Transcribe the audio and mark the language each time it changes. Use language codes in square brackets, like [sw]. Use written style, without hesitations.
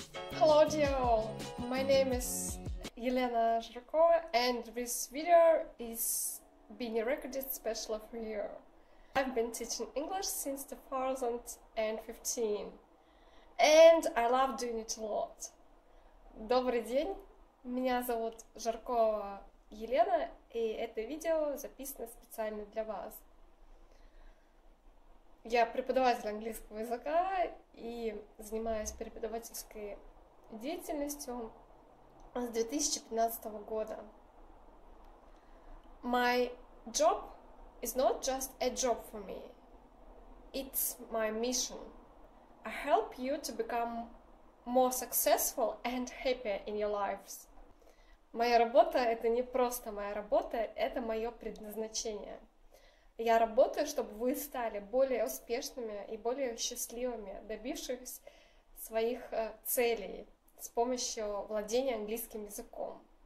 [en] Claudio, my name is Елена Жиркова, and this video is being recorded specially for you. I've been teaching English since 2015, and I love doing it a lot. [ru] Добрый день, меня зовут Жиркова Елена, и это видео записано специально для вас. Я преподаватель английского языка и занимаюсь преподавательской деятельностью с 2015 года. [en] My job is not just a job for me. It's my mission. I help you to become more successful and happier in your lives. [ru] Моя работа — это не просто моя работа, это мое предназначение. Я работаю, чтобы вы стали более успешными и более счастливыми, добившись своих целей с помощью владения английским языком.